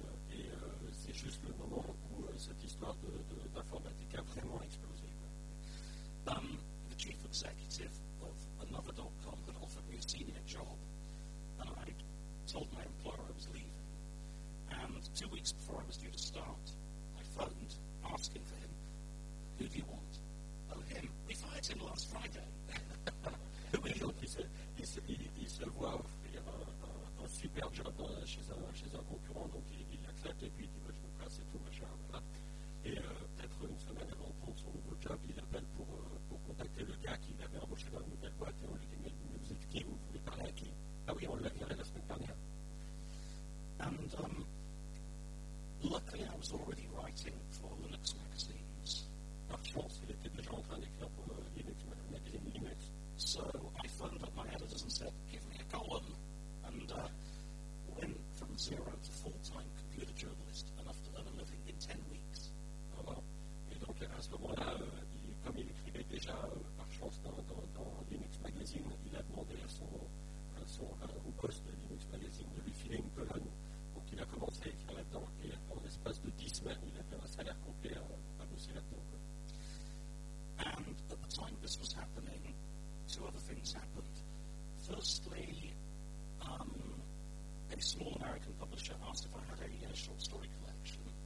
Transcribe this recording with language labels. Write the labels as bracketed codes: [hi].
[fr] Et c'est juste le moment où cette histoire d'informatique a vraiment explosé. [en] The chief executive of another dot-com had offered me a senior job, and I told my employer I was leaving. And 2 weeks before I was due to start, I phoned asking for him, "Who do you want?" "Oh, him. We fired him last Friday." Who is it? [fr] Il se voit offrir un super job chez un concurrent, donc il accepte, et puis il dit, bah, je me casse et tout, machin, voilà. Et peut-être une semaine avant de prendre son nouveau job, il appelle pour contacter le gars qui l'avait embauché dans une nouvelle boîte et on lui dit, mais vous êtes qui? Vous voulez parler à qui? Ah oui, on l'a viré la semaine dernière. [en] And luckily I was already writing for Linux magazines. [fr] Par chance, il était déjà en train d'écrire pour Linux magazine Linux. [en] So I phoned up my editors and said, give me a column. And went from zero to full-time computer journalist, enough to earn a living in 10 weeks. [fr] Et donc à ce moment-là, comme il écrivait déjà par chance dans Linux Magazine, il a demandé au boss de Linux Magazine de lui filer une colonne. Donc il a commencé à écrire là-dedans et en l'espace de 10 semaines, il a fait un salaire complet à bosser là-dedans. [en] And at the time this was happening, two other things happened. Firstly, a small American publisher asked if I had a short story collection.